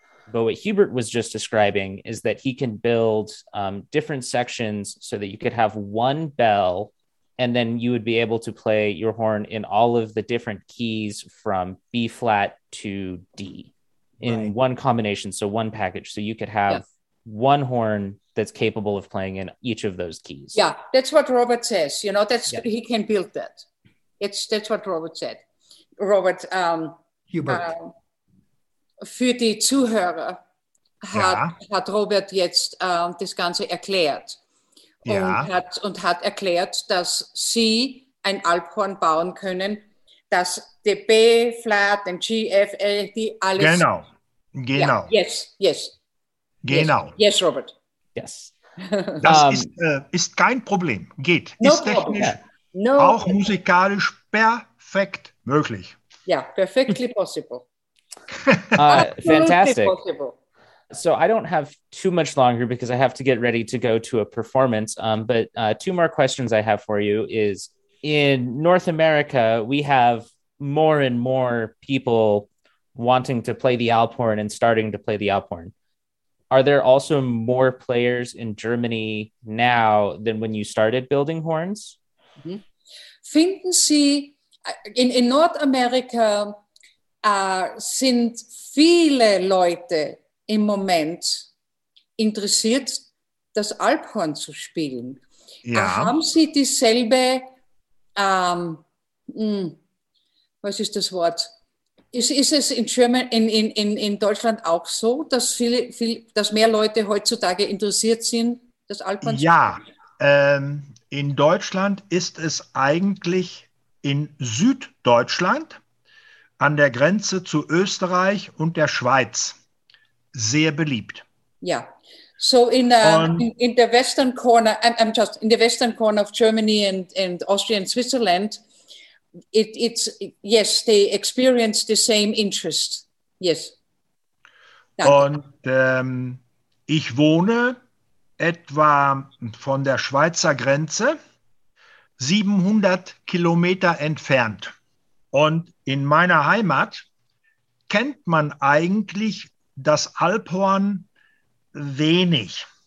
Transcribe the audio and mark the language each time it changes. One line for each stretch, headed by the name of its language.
English: But what Hubert was just describing is that he can build different sections so that you could have one bell, and then you would be able to play your horn in all of the different keys from B flat to D in right. one combination. So one package. So you could have one horn that's capable of playing in each of those keys. Yeah, that's what Robert says. You know, he can build that. That's what Robert said. Robert Hubert.
German: Für die Zuhörer hat Robert jetzt das Ganze erklärt. Ja. Und hat erklärt, dass sie ein Alphorn bauen können, dass die B flat und G, F, L, die alles. Genau. Genau. Ja.
English: Yes.
German: Genau.
English: Yes, Robert. Yes.
German: Das ist kein Problem. Geht.
English: No
German: ist technisch
English: problem. No.
German: auch musikalisch perfekt möglich.
English: Yeah, perfectly possible. fantastic. Possible. So I don't have too much longer because I have to get ready to go to a performance. But two more questions I have for you is in North America, we have more and more people wanting to play the Alphorn and starting to play the Alphorn. Are there also more players in Germany now than when you started building horns? Mm-hmm.
German: Finden Sie, in Nordamerika sind viele Leute im Moment interessiert, das Alphorn zu spielen. Ja. Haben Sie dieselbe, was ist das Wort? Ist es
English: in German
German: in Deutschland auch so, dass dass mehr Leute heutzutage interessiert sind, das Alphorn? Ja, in Deutschland ist es eigentlich in Süddeutschland an der Grenze zu Österreich und der Schweiz sehr beliebt.
English: Ja, so in the western corner, I'm just in the western corner of Germany and Austria and Switzerland. It's yes, they experience the same interest. Yes.
German: Danke. Und Ich wohne etwa von der Schweizer Grenze 700 Kilometer entfernt. Und in meiner Heimat kennt man eigentlich das Alphorn wenig.